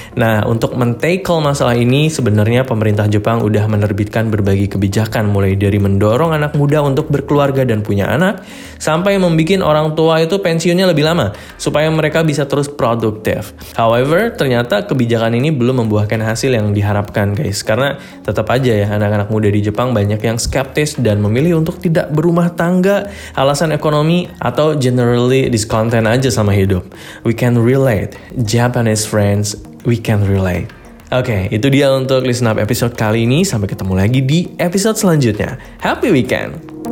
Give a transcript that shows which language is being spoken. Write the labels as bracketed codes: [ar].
[id] Nah, untuk men-tackle masalah ini, sebenarnya pemerintah Jepang udah menerbitkan berbagai kebijakan, mulai dari mendorong anak muda untuk berkeluarga dan punya anak, sampai membikin orang tua itu pensiunnya lebih lama, supaya mereka bisa terus produktif. [en] However, [id] ternyata kebijakan ini belum membuahkan hasil yang diharapkan, guys. Karena tetap aja ya, anak-anak muda di Jepang banyak yang skeptis dan memilih untuk tidak berumah tangga, alasan ekonomi, atau [en] generally discontent [id] aja sama hidup. [en] We can relate. Japanese friends, we can relate. [id] Oke, itu dia untuk Listen Up episode kali ini. Sampai ketemu lagi di episode selanjutnya. [en] Happy weekend!